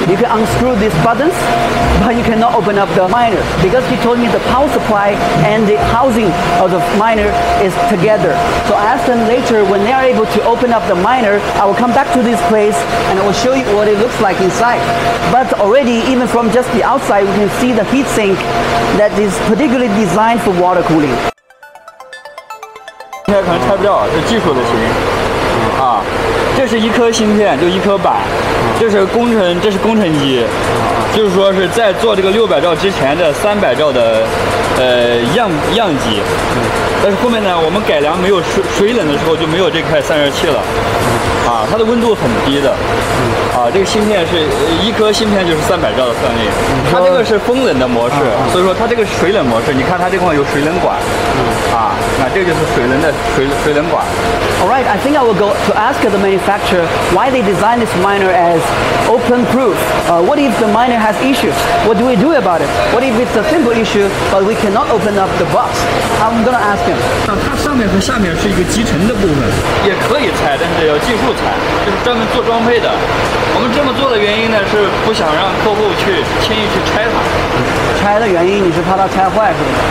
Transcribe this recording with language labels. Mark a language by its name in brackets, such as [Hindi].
[English] You can unscrew these buttons, but you cannot open up the miner, because he told me the power supply and the housing of the miner is together. So I asked them later, when they are able to open up the miner, I will come back to this place and I will show you what it looks like inside. But already, even from just the outside, we can see the heat sink that is particularly designed for water cooling. [Chinese] 现在可能拆不掉，是技术的原因。啊，这是一颗芯片，就一颗板，这是工程机，就是说是在做这个600兆之前的300兆的样机。但是后面呢，我们改良没有水冷的时候就没有这块散热器了。啊，它的温度很低的。啊，这个芯片是一颗芯片就是300兆的算力，它这个是风冷的模式，所以说它这个是水冷模式。你看它这块有水冷管。那这个就是水冷管。 [English] All right, I think I will go to ask the manufacturer why they designed this miner as open proof. What if the miner has issues? What do we do about it? What if it's a simple issue but we cannot open up the box? I'm gonna ask him. [Chinese] 它上面和下面是一个集成的部分，也可以拆，但是要技术拆，就是专门做装配的。我们这么做的原因呢，是不想让客户去轻易去拆它。拆的原因，你是怕它拆坏是吗？